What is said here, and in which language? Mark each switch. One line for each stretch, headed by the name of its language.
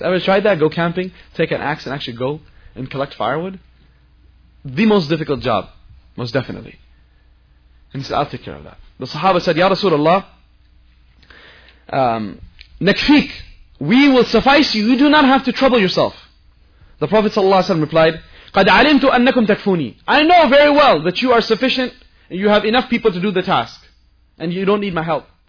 English: Ever tried that? Go camping. Take an axe and actually go and collect firewood. The most difficult job, most definitely. And he said, I'll take care of that. The Sahaba said, Ya Rasulullah,
Arabic: نَكْفِيك.
English: We will suffice you. You do not have to trouble yourself. The Prophet ﷺ replied,
Arabic: قَدْ عَلِمْتُ أَنَّكُمْ تَكْفُونِي.
English: I know very well that you are sufficient. You have enough people to do the task. And you don't need my help.